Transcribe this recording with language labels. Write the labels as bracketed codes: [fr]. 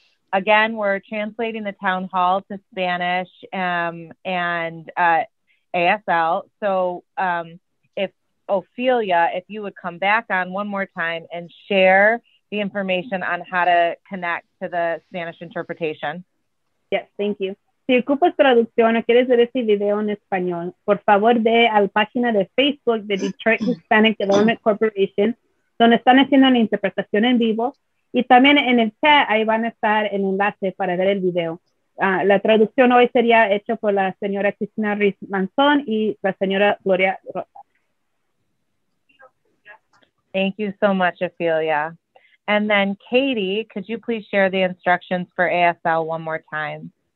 [en] Again, we're translating the town hall to Spanish and ASL. So if Ophelia, if you would come back on one more time and share the information on how to connect to the Spanish interpretation. Yes, thank you. [es] Si ocupas traducción o quieres ver este video en español, por favor ve al página de Facebook de Detroit Hispanic Development Corporation, donde están haciendo la interpretación en vivo. Y también en el chat, ahí van a estar el enlace para ver el video. La traducción hoy sería hecha por la señora Cristina Ruiz Manzón y la señora Gloria Rosa. [en] Thank you so much, Ophelia. And then, Katie, could you please share the instructions for ASL one more time?